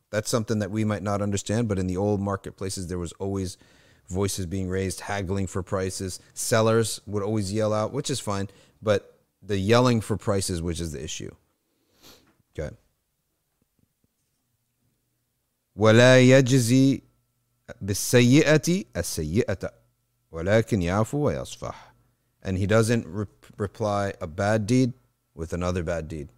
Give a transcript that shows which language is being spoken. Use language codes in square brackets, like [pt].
[en] That's something that we might not understand, but in the old marketplaces, there was always voices being raised, haggling for prices. Sellers would always yell out, which is fine, but the yelling for prices, which is the issue. Okay. [ar] ولا يجزي بالسيئة السيئة ولكن يعفو ويصفح. [en] And he doesn't reply a bad deed with another bad deed.